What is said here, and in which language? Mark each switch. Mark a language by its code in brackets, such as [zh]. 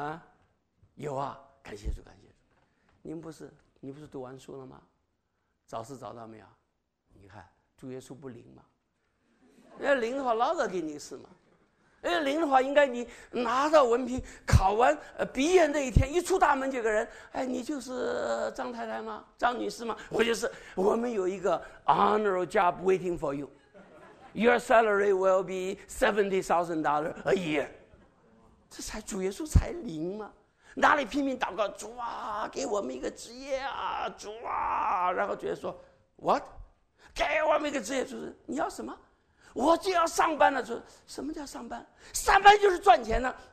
[zh] 啊，有啊，感谢主，感谢主。你不是读完书了吗？找是找到没有？你看主耶稣不灵吗？要灵的话，老早给你试嘛。因为灵的话，应该你拿到文凭，考完毕业那一天，一出大门就个人，哎，你就是张太太吗？张女士吗？我就是。我们有一个 [en] honor job waiting for you. Your salary will be $70,000 a year. [zh] 这才主耶稣才灵嘛，哪里拼命祷告，主啊，给我们一个职业啊，主啊，然后主耶稣说 ， [en] What？ [zh] 给我们一个职业，就是你要什么？我就要上班了。说什么叫上班？上班就是赚钱呢。